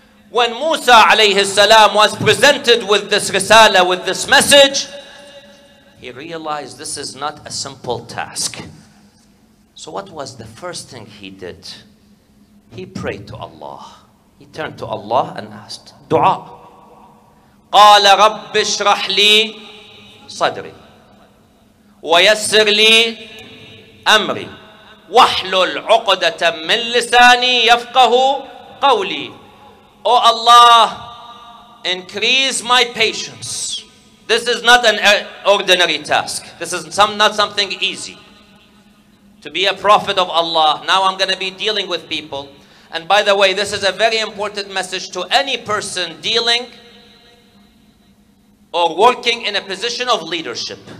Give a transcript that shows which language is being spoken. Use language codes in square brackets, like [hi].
[en] When Musa alayhi as-salam was presented with this risala, with this message, he realized this is not a simple task. So what was the first thing he did? He prayed to Allah. He turned to Allah and asked dua. [ar] قال رب اشرح لي صدري ويسر لي امري واحلل عقدة من لساني يفقه قولي. [en] O Allah, increase my patience. This is not an ordinary task. This is not something easy to be a prophet of Allah. Now I'm going to be dealing with people. And by the way, this is a very important message to any person dealing or working in a position of leadership.